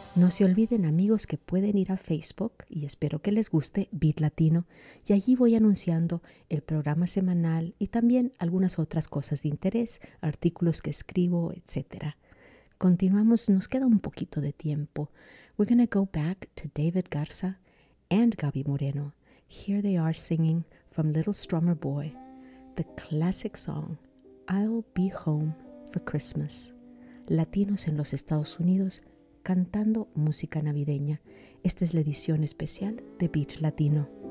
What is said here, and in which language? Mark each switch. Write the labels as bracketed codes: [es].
[es] se olviden, amigos, que pueden ir a Facebook, y espero que les guste, Beat Latino, y allí voy anunciando el programa semanal y también algunas otras cosas de interés, artículos que escribo, etc. Continuamos, nos queda un poquito de tiempo. [en] We're going to go back to David Garza and Gaby Moreno. Here they are singing from Little Strummer Boy, the classic song, I'll Be Home for Christmas. [es] Latinos en los Estados Unidos cantando música navideña. Esta es la edición especial de Beat Latino.